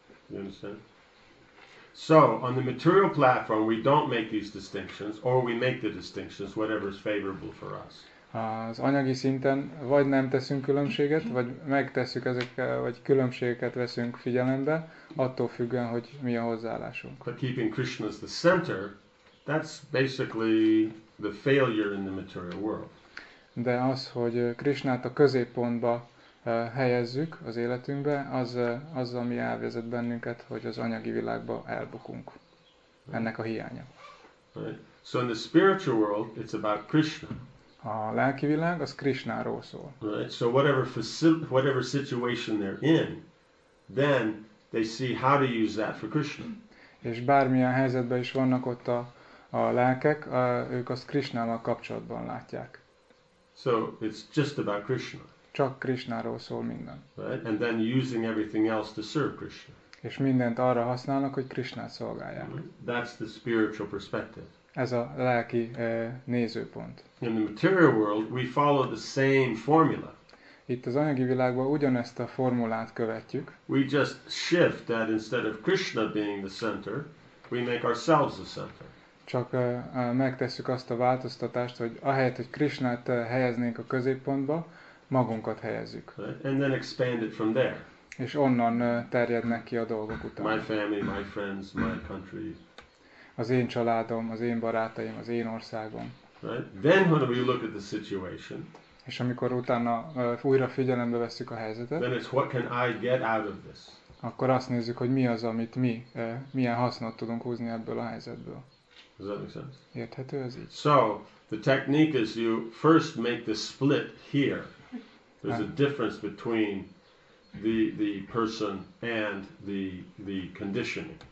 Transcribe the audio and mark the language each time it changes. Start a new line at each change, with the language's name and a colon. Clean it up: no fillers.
English: You understand? So, on the material platform, we don't make these distinctions, or we make the distinctions, whatever is favorable for us.
Hungarian: Az anyagi szinten vagy nem teszünk különbséget, vagy megtesszük ezeket, vagy különbségeket veszünk figyelembe, attól függően, hogy mi a hozzáállásunk.
English: But keeping Krishna as the center, that's basically the failure in the material world.
Hungarian: De az, hogy Krishnát a középpontba helyezzük az életünkbe, az ami elvezet bennünket, hogy az anyagi világba elbukunk. Ennek a hiánya.
English: Right. So in the spiritual world, it's about Krishna.
Hungarian: A lelki világ az Krishnáról szól.
English: Right. So whatever situation they're in, then they see how to use that for Krishna.
Hungarian: És bármilyen helyzetben is vannak ott a lelkek, ők azt Krishnával kapcsolatban látják.
English: So it's just about Krishna.
Hungarian: Csak Krishnáról szól minden.
English: Right? And then using everything else to serve Krishna.
Hungarian: És mindent arra használnak, hogy Krishnát szolgálják.
English: That's the spiritual perspective.
Hungarian: Ez a lelki nézőpont.
English: In the material world, we follow the same formula.
Hungarian: Itt az anyagi világban ugyanezt a formulát követjük.
English: We just shift that instead of Krishna being the center, we make ourselves the center.
Hungarian: Csak megtesszük azt a változtatást, hogy ahelyett, hogy Krishnát helyeznénk a középpontba, magunkat helyezzük.
English: Right? And then expand it from there.
Hungarian: És onnan terjednek ki a dolgok után.
English: My family, my friends, my country.
Hungarian: Az én családom, az én barátaim, az én országom.
English: Right? Then when we look at the situation,
Hungarian: és amikor utána újra figyelembe veszük a helyzetet,
English: then it's what can I get out of this?
Hungarian: Akkor azt nézzük, hogy mi az, amit mi, milyen hasznot tudunk húzni ebből a helyzetből.
English: Does that make sense?
Hungarian: Érthető ez így?
English: So, the technique is you first make the split here. There's a difference between the person and the conditioning.